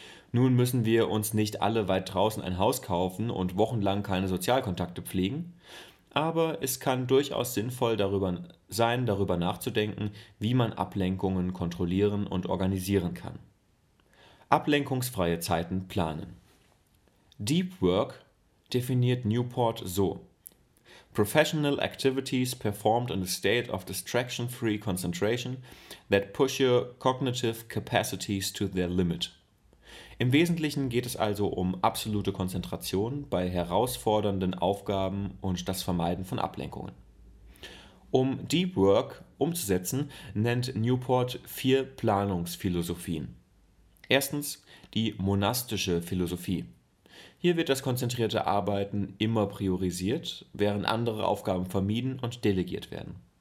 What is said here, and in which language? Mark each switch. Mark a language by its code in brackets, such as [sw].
[de] Nun müssen wir uns nicht alle weit draußen ein Haus kaufen und wochenlang keine Sozialkontakte pflegen, aber es kann durchaus sinnvoll darüber nachzudenken, wie man Ablenkungen kontrollieren und organisieren kann. Ablenkungsfreie Zeiten planen. Deep Work definiert Newport so: [en] Professional activities performed in a state of distraction-free concentration that push your cognitive capacities to their limit. [de] Im Wesentlichen geht es also um absolute Konzentration bei herausfordernden Aufgaben und das Vermeiden von Ablenkungen. Um Deep Work umzusetzen, nennt Newport 4 Planungsphilosophien. Erstens die monastische Philosophie. Hier wird das konzentrierte Arbeiten immer priorisiert, während andere Aufgaben vermieden und delegiert werden.